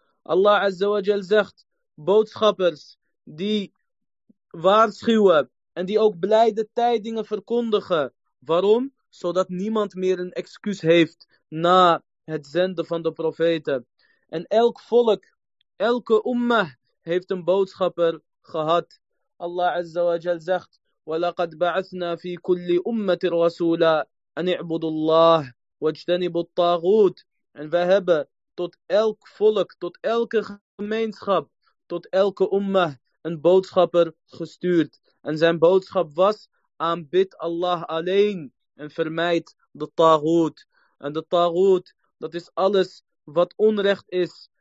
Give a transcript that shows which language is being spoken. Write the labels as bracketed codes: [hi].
[nl] Allah Azza wa Jal zegt: boodschappers die waarschuwen en die ook blijde tijdingen verkondigen. Waarom? Zodat niemand meer een excuus heeft na het zenden van de profeten. En elk volk, elke ummah, heeft een boodschapper gehad. [ar] Allah Azza wa Jal [nl] zegt: [ar] وَلَقَدْ بَعَثْنَا فِي كُلِّ أُمَّةِ الرَّسُولَ أَنْ اِعْبُدُ اللَّهِ وَاجْتَنِبُ الطَّاغُوتِ. [nl] En we hebben tot elk volk, tot elke gemeenschap, tot elke ummah een boodschapper gestuurd. En zijn boodschap was: aanbid Allah alleen en vermijd de taghut. En de taghut, dat is alles wat onrecht is.